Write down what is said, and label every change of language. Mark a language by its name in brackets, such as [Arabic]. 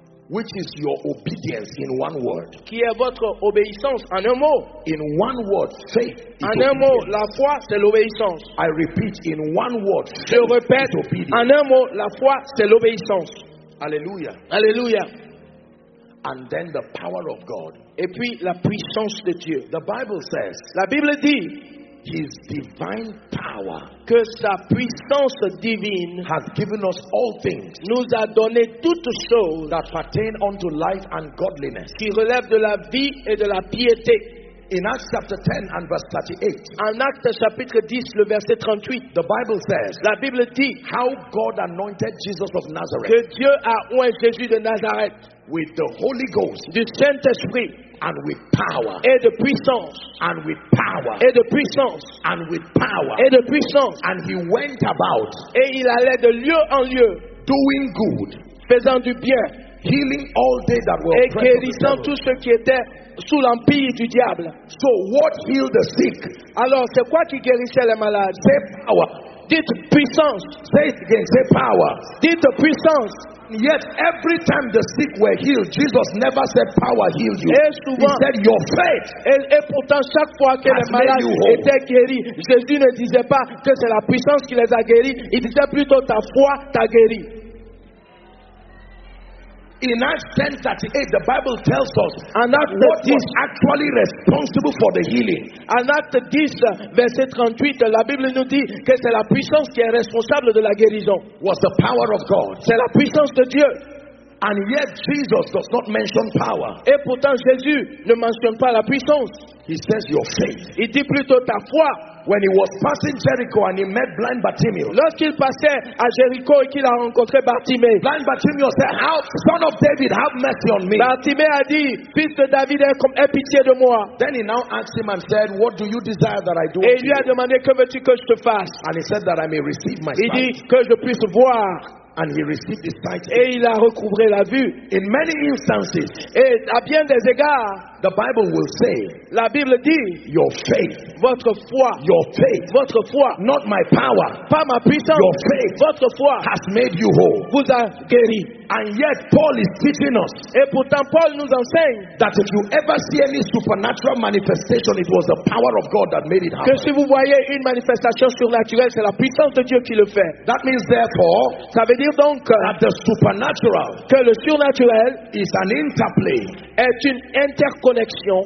[English] which is your obedience in one word, [French] qui est votre obéissance en un mot. [English] In one word, faith. [French] En un mot, la foi, c'est l'obéissance. [English] I repeat, in one word, [French] je répète, en un mot, la foi, c'est l'obéissance. Alléluia. Alléluia. [English] And then the power of God. [French] Et puis la puissance de Dieu. [English] The Bible says. [French] La Bible dit. [English] His divine power. [French] Que sa puissance divine. [English] Has given us all things. [French] Nous a donné toutes choses. [English] That pertain unto life and godliness. [French] Qui relève de la vie et de la piété. [English] In Acts chapter 10 and verse 38. [French] En Actes chapitre 10, le verset 38. [English] The Bible says. [French] La Bible dit. [English] How God anointed Jesus of Nazareth. [French] Que Dieu a oint Jésus de Nazareth. [English] With the Holy Ghost, [French] du Saint-Esprit, [English] and with power, [French] et de puissance, [English] and with power, [French] et de puissance, [English] and with power, [French] et de puissance, [English] and he went about, [French] et il allait de lieu en lieu, [English] doing good, [French] faisant du bien, [English] healing all they that were [French] oppressed, et guérissant tous ceux qui étaient sous l'empire du diable. [English] So what healed the sick? [French] Alors c'est quoi qui guérissait les malades? [English] Say power. [French] Dites puissance. [English] Say it again. Say power. [French] Dites puissance. [English] Yet every time the sick were healed, Jesus never said power healed you. [French] Et souvent, [English] he said your faith. [French] Et pourtant chaque fois que les malades étaient guéris, Jésus ne disait pas que c'est la puissance qui les a guéris. Il disait plutôt ta foi t'a guéri. [English] In Acts 10:38, the Bible tells us what is actually responsible for the healing. [French] En Acts 10, verset 38, la Bible nous dit que c'est la puissance qui est responsable de la guérison. [English] Was the power of God. [French] C'est la puissance de Dieu. [English] And yet Jesus does not mention power. [French] Et pourtant Jésus ne mentionne pas la puissance. [English] He says your faith. [French] Il dit plutôt ta foi. [English] When he was passing Jericho and he met blind Bartimaeus. [French] Lorsqu'il passait à Jéricho et qu'il a rencontré Bartimée. [English] Blind Bartimaeus said, "How, son of David, have mercy on me." [French] Bartimée a dit, fils de David, aie pitié de moi. [English] Then he now asked him and said, "What do you desire that I do?" [French] Et lui a demandé, que veux-tu que je te fasse? [English] And he said that I may receive my sight. [French] Il dit que je puisse voir. [English] And he received his sight. [French] Et il a recouvré la vue. [English] In many instances, [French] et à bien des égards, [English] the Bible will say, [French] la Bible dit, [English] your faith, [French] votre foi, [English] your faith, [French] votre foi, [English] not my power, [French] pas ma puissance, [English] your faith, [French] votre foi, [English] has made you whole, [French] vous a guéri. [English] And yet Paul is teaching us, [French] et pourtant Paul nous enseigne, [English] that if you ever see any supernatural manifestation, it was the power of God that made it happen. [French] Que si vous voyez une manifestation surnaturelle, c'est la puissance de Dieu qui le fait. [English] That means therefore, [French] ça veut dire donc, [English] that the supernatural, [French] que le surnaturel, [English] is an interplay, [French] est une interconnexion.